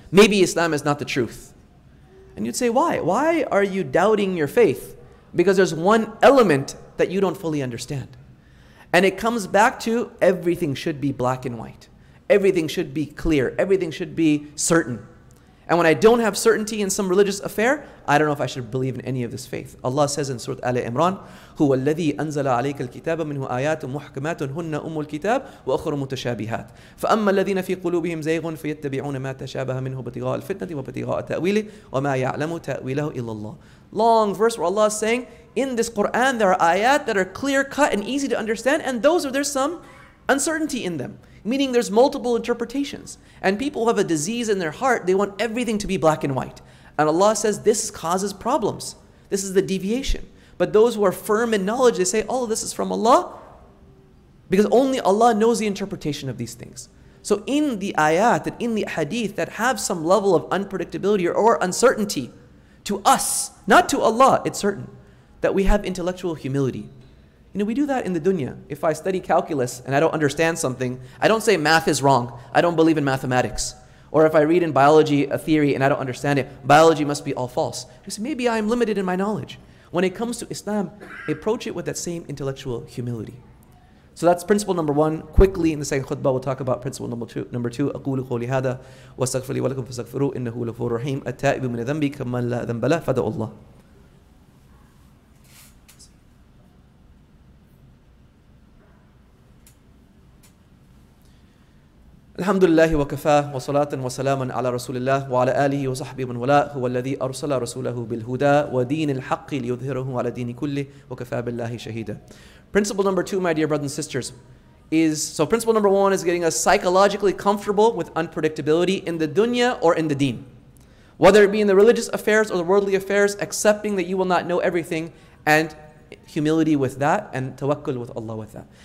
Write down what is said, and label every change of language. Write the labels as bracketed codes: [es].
[en] Maybe Islam is not the truth. And you'd say, why? Why are you doubting your faith? Because there's one element that you don't fully understand. And it comes back to everything should be black and white. Everything should be clear. Everything should be certain. And when I don't have certainty in some religious affair, I don't know if I should believe in any of this faith. [ar] Allah says in Surah Ali Imran, هُوَ الَّذِي أَنزَلَ عَلَيْكَ الْكِتَابَ مِنْهُ آيَاتٌ مُحْكَمَاتٌ هُنَّ أُمُّ الْكِتَابِ وَأُخْرُ مُتَشَابِهَاتٌ فَأَمَّا الَّذِينَ فِي قُلُوبِهِمْ زَيْغٌ فَيَتَّبِعُونَ مَا تَشَابَهَ مِنْهُ ابْتِغَاءَ الْفِتْنَةِ وَابْتِغَاءَ تَأْوِيلِهِ وَمَا يَعْلَمُ تَأْوِيلَهُ إِلَّا اللَّهُ. [en] Long verse where Allah is saying, in this Quran there are ayat that are clear cut and easy to understand, and those are, there's some uncertainty in them. Meaning there's multiple interpretations. And people who have a disease in their heart, they want everything to be black and white. And Allah says this causes problems. This is the deviation. But those who are firm in knowledge, they say, oh, this is from Allah. Because only Allah knows the interpretation of these things. So in the ayat, and in the hadith that have some level of unpredictability or uncertainty to us, not to Allah, it's certain that we have intellectual humility. You know, we do that in the dunya. If I study calculus and I don't understand something, I don't say math is wrong. I don't believe in mathematics. Or if I read in biology a theory and I don't understand it, biology must be all false. You say, maybe I'm limited in my knowledge. When it comes to Islam, approach it with that same intellectual humility. So that's principle number one. Quickly, in the second khutbah, we'll talk about principle number two. [ar] أَقُولُ قَوْلِ هَذَا وَاسْتَغْفِرْ لِي وَلَكُمْ فَاسْتَغْفِرُوا إِنَّهُ لَغْفُورٌ رَحِيمٌ التَّائِبُ مِنَ ذَنْبِي كَمَنْ لَا ذَنْبَ لَهُ فَدَعُوا اللَّهَ الحمد لله وكفى وصلاة وسلاما على رسول الله وعلى آله وصحبه من ولاه هو الذي أرسل رسوله بالهدى ودين الحق ليظهره على دين كله وكفى بالله شهيدا. [en] Principle number two, my dear brothers and sisters, is, so principle number one is getting us psychologically comfortable with unpredictability in the dunya or in the deen. Whether it be in the religious affairs or the worldly affairs, accepting that you will not know everything and humility with that and tawakkul with Allah with that.